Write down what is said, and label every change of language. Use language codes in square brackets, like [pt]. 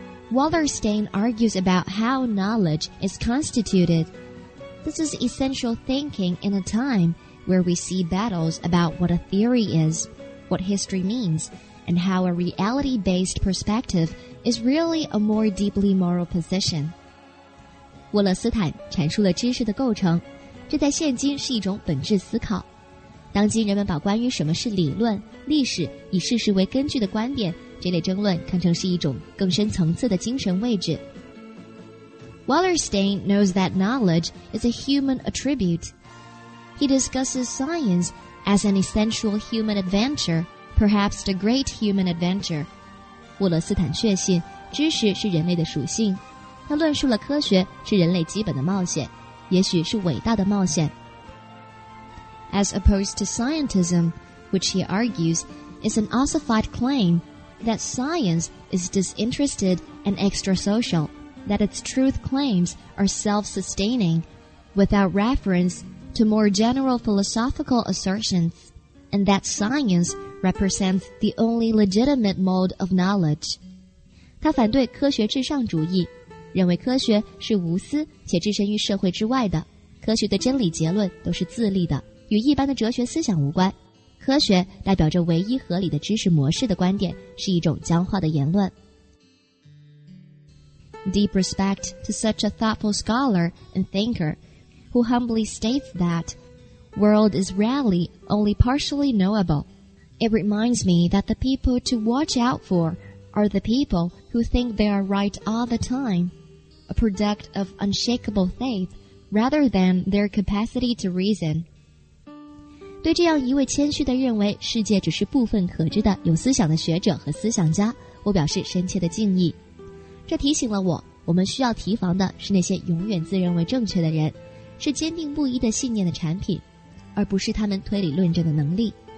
[en] Wallerstein argues about how knowledge is constitutedThis is essential thinking in a time where we see battles about what a theory is, what history means, and how a reality-based perspective is really a more deeply moral position. [zh] 沃勒斯坦阐述了知识的构成，这在现今是一种本质思考。当今人们把关于什么是理论、历史以事实为根据的观点，这类争论堪称是一种更深层次的精神位置。 [en] Wallerstein knows that knowledge is a human attribute. He discusses science as an essential human adventure, perhaps the great human adventure. [zh] 沃勒斯坦确信知识是人类的属性，他论述了科学是人类基本的冒险，也许是伟大的冒险。 [en] As opposed to scientism, which he argues is an ossified claim that science is disinterested and extrasocial. That its truth claims are self-sustaining, without reference to more general philosophical assertions, and that science represents the only legitimate mode of knowledge. [zh] 他反对科学至上主义，认为科学是无私且置身于社会之外的，科学的真理结论都是自立的，与一般的哲学思想无关。科学代表着唯一合理的知识模式的观点，是一种僵化的言论。 [en] Deep respect to such a thoughtful scholar and thinker, who humbly states that world is rarely only partially knowable. It reminds me that the people to watch out for are the people who think they are right all the time, a product of unshakable faith rather than their capacity to reason. [zh] 对这样一位谦虚地认为世界只是部分可知的有思想的学者和思想家，我表示深切的敬意。这提醒了我，我们需要提防的是那些永远自认为正确的人，是坚定不移的信念的产品，而不是他们推理论证的能力。